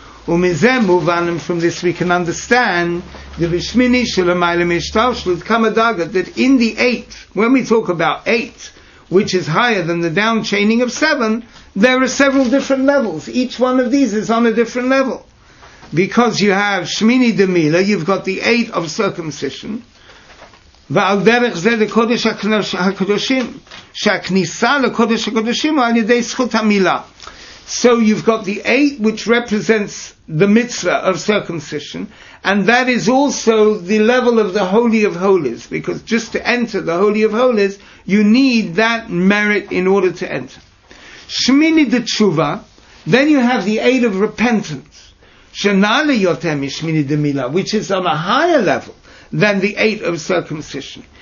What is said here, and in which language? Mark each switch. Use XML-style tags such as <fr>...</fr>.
<he>Umizem muvanim,</he> <en>from this we can understand the</en> <he>vishmini shulamayle mishtavshlut kamadagat,</he> <en>that in the eight, when we talk about eight, which is higher than the downchaining of seven, there are several different levels. Each one of these is on a different level. Because you have</en> <he>shmini demila,</he> <en>you've got the eight of circumcision.</en> <he>ועל דרך זה לקודש הקדושים, שהכניסה לקודש הקדושים הוא על ידי זכות המילה.</he> <en>So you've got the eight which represents the mitzvah of circumcision, and that is also the level of the Holy of Holies, because just to enter the Holy of Holies, you need that merit in order to enter.</en> <he>שמיני דתשובה,</he> <en>then you have the eight of repentance,</en> <he>שנעלה יותר משמיני דמילה,</he> <en>which is on a higher level than the eight of circumcision.</en>